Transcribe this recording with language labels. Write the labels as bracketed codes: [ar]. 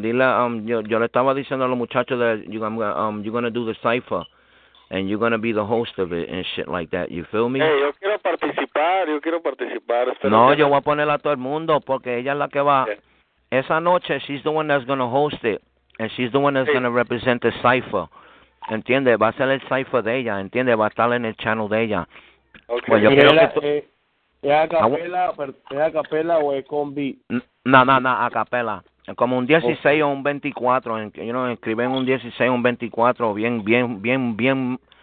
[es] Dile, yo le estaba diciendo a los muchachos [en] that you're going to do the cipher and you're going to be the host of it and shit like that. You feel me? [es] Hey, yo quiero participar. No, yo voy a poner a todo el mundo porque ella es la que va. [en] Okay. [es] Esa noche, [en] she's the one that's going to host it and she's the one that's going to represent the cipher. [es] ¿Entiende? Va a ser el cipher de ella, ¿entiende? Va a estar en el channel de ella. [en] Okay. [es] Pues yo creo que ¿Es a capela o es con beat? No, a capela. Como un 16 okay. o un 24. [en] You know, [es] escriben un 16 o un 24 bien